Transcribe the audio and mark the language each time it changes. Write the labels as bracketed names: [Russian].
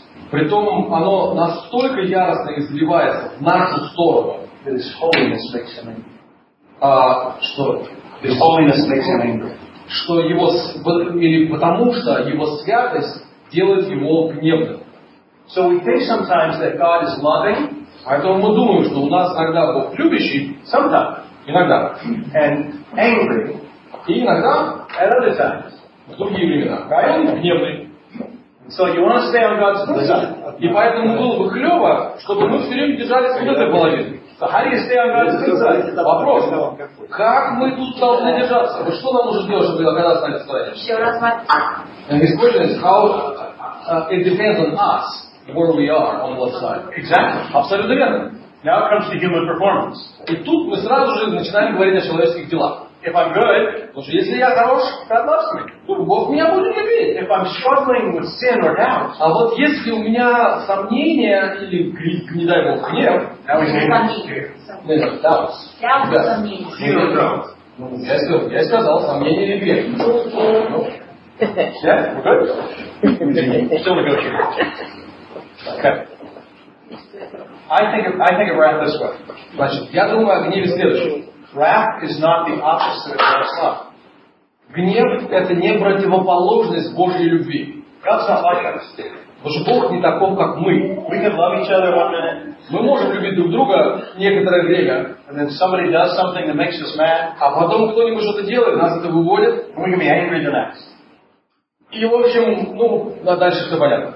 [Russian] Притом оно настолько яростно изливается в нашу сторону, [English] that his holiness makes him angry. [Russian] Что? [English] His holiness makes him angry. [Russian] Что его, или потому что его святость делает его гневным. [English] So we think sometimes that God is loving. [Russian] Поэтому мы думаем, что у нас иногда Бог любящий. [English] Sometimes. [Russian] Иногда. [English] And angry. [Russian] И иногда. [English] At other times. [Russian] В другие времена. [English] Right? [Russian] Он гневный. [English] So you want to stay on God's good side. [Russian] И поэтому было бы клево, чтобы мы все время держались вот этой половины. [English] So how do you stay on God's good side? [Russian] Вопрос. Как мы тут должны держаться? Вы что нам нужно делать, чтобы когда с нами стоять? Еще раз мать. [English] His question is, how it depends on us. Where we are on what side? Exactly. [Russian] Абсолютно верно. [English] Now comes the human performance. [Russian] И тут мы сразу же начинаем говорить о человеческих делах. [English] If I'm good, [Russian] потому что если я хорош, [English] God loves me. [Russian] То Бог меня будет любить. [English] If I'm struggling with sin or doubt, [Russian] а вот если у меня сомнения или грех, не дай Бог, гнев, я сказал сомнения или грех. [English] Yeah, we're good. Still negotiating. Okay. I think of wrath this way. [Russian] Значит, я думаю о гневе следующем. [English] Wrath is not the opposite of God's love. [Russian] Гнев это не противоположность Божьей любви. [English] God's not like us. [Russian] Потому что Бог не таков, как мы. [English] We can love each other one minute. [Russian] Мы можем любить друг друга некоторое время. [English] And then somebody does something that makes us mad. [Russian] А потом кто-нибудь что-то делает, нас это выводит. [English] And we can be angry the next. [Russian] И в общем, ну, дальше все понятно.